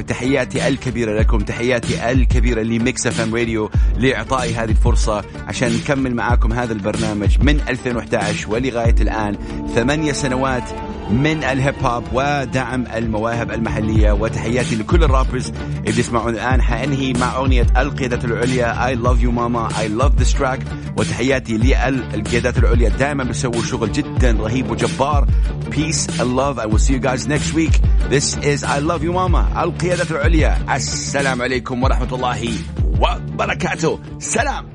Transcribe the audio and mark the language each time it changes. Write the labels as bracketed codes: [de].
[ar] تحياتي الكبيرة لكم, تحياتي الكبيرة لميكس اف ام راديو لاعطائي هذه الفرصة عشان نكمل معاكم هذا البرنامج من 2011 ولغاية الان 8 سنوات من الهيب هوب ودعم المواهب المحلية. وتحياتي لكل الرابرز اللي يسمعون الان. حانهي مع اغنية القيادة العليا I love you mama [en] I love this track. [ar] وتحياتي للقيادة العليا, دائما بيسووا شغل جدا رهيب وجبار. [en] Peace and love. I will see you guys next week. This is [ar] I love you mama القيادة العليا. السلام عليكم ورحمة الله وبركاته. سلام.